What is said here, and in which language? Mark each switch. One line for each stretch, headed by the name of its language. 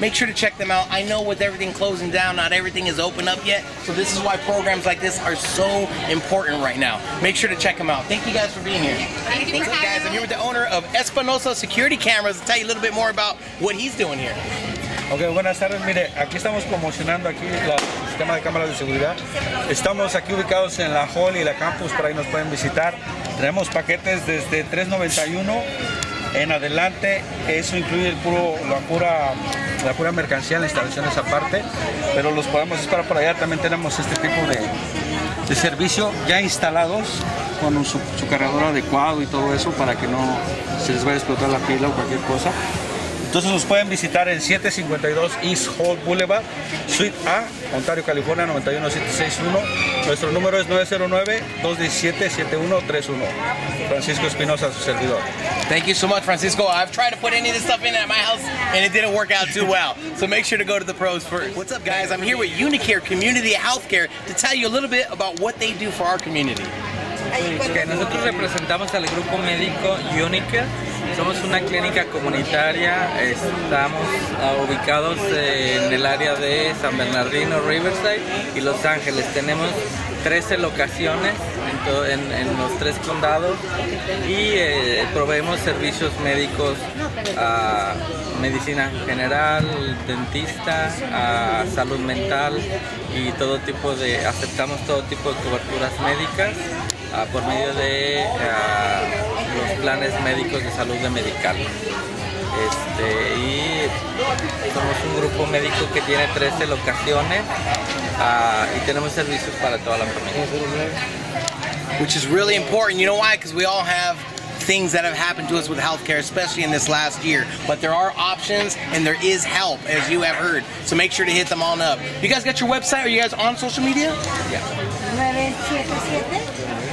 English: Make sure to check them out. I know with everything closing down, not everything is open up yet. So this is why programs like this are so important right now. Make sure to check them out. Thank you guys for being here. Thank you guys. I'm here with the owner of Espinosa Security Cameras to tell you a little bit more about what he's doing here.
Spanish: Okay, buenas tardes. Mire, aquí estamos promocionando aquí el sistema de cámaras de seguridad. Estamos aquí ubicados en la Hall y la Campus, por ahí nos pueden visitar. Tenemos paquetes desde $391 en adelante. Eso incluye la pura mercancía, la instalación esa parte. Pero los podemos esperar por allá. También tenemos este tipo de servicio ya instalados con su cargador adecuado y todo eso para que no se les vaya a explotar la pila o cualquier cosa. Entonces nos pueden visitar en 752 East Hall Boulevard, Suite A, Ontario, California, 91761. Nuestro número es 909-217-7131. Francisco Espinosa, su servidor.
English: Thank you so much, Francisco. I've tried to put any of this stuff in at my house, and it didn't work out too well. So make sure to go to the pros first. What's up, guys? I'm here with Unicare Community Healthcare to tell you a little bit about what they do for our community.
Spanish: Okay, nosotros representamos al grupo médico Unicare. Somos una clínica comunitaria, estamos ubicados en el área de San Bernardino, Riverside y Los Ángeles. Tenemos 13 locaciones en los tres condados y proveemos servicios médicos a medicina general, dentista, a salud mental y todo tipo de, aceptamos todo tipo de coberturas médicas. Por medio de los planes médicos de salud de medical. Y somos un grupo médico que tiene 13 locaciones y tenemos servicios para toda la familia.
English: Which is really important. You know why? Because we all have things that have happened to us with healthcare, especially in this last year. But there are options and there is help, as you have heard. So make sure to hit them on up. You guys got your website? Are you guys on social media? Yeah. 977.